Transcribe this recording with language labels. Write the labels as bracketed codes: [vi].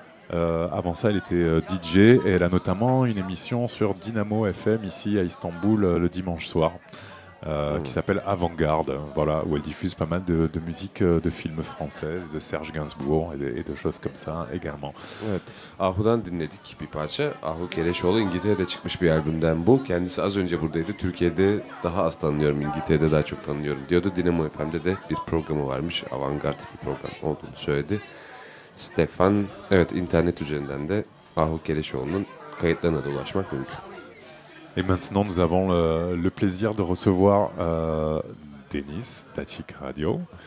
[fr] Avant ça, elle était DJ et elle a notamment une émission sur Dynamo FM ici à Istanbul le dimanche soir qui s'appelle Avant-Garde, voilà, où elle diffuse pas mal de musique de films français, de Serge Gainsbourg et de choses comme ça également. [tr] Evet. Ahu'dan dinledik bir parça. Ahu Keleşoğlu İngiltere'de çıkmış bir albümden bu. Kendisi az önce buradaydı. Türkiye'de daha az tanıyorum, İngiltere'de daha çok tanıyorum diyordu. Dynamo FM'de de bir programı varmış. Avant-Garde bir program olduğunu söyledi. Stefan, evet, internet üzerinden de Ahu Keleşoğlu'nun kayıtlarına da ulaşmak mümkün. [fr] Et maintenant nous avons le plaisir de recevoir Denis d'Açık Radio.